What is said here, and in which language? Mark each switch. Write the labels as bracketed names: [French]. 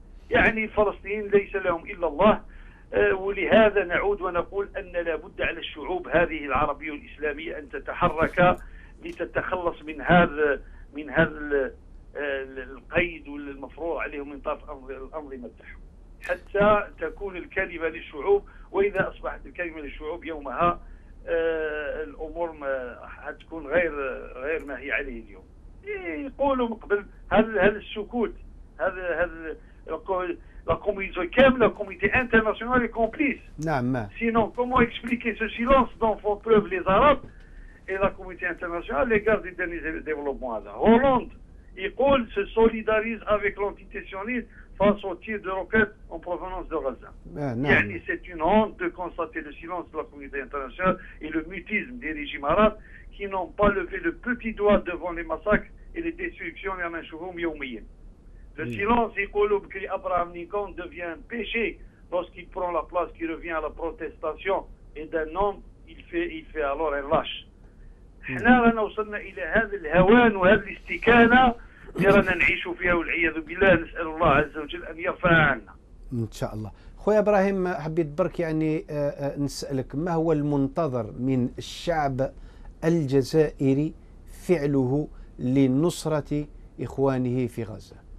[Arabic] يعني الفلسطينيين ليس لهم إلا الله ولهذا نعود ونقول أن لابد على الشعوب هذه العربية والإسلامية أن تتحرك لتتخلص من هذا القيد والمفروض عليهم من طرف الأنظمة تحكم حتى تكون الكلمة للشعوب وإذا أصبحت الكلمة للشعوب يومها الأمور ما هتكون غير ما هي عليه اليوم. يقولوا مقبل هذا السكوت هذا الكوميتي كامل الكوميتي انترناسيونال كومبليس نعم [French] sinon comment expliquer ce silence dont font preuve les Arabes et la communauté internationale à l'égard des derniers développements là. Hollande يقول se solidarise avec l'entité sioniste face aux tirs de roquettes en provenance de Gaza. Yani c'est une honte de constater le silence de la communauté internationale et le mutisme des régimes arabes qui n'ont pas levé le petit doigt devant les massacres et les destructions en Anshouroum Yomiyin. Le silence, [Arabic] يقول بكري [French] Abraham Lincoln, devient un péché lorsqu'il prend la place qui revient à la protestation et d'un homme, il fait alors un lâche. [Arabic] حنا رانا وصلنا الى هذا الهوان وهذا الاستكانة اللي رانا نعيشوا فيها والعياذ بالله نسال الله عز وجل ان يرفع عنا ان شاء الله. خويا ابراهيم حبيت برك يعني نسالك ما هو المنتظر من الشعب الجزائري فعله لنصرة اخوانه في غزة؟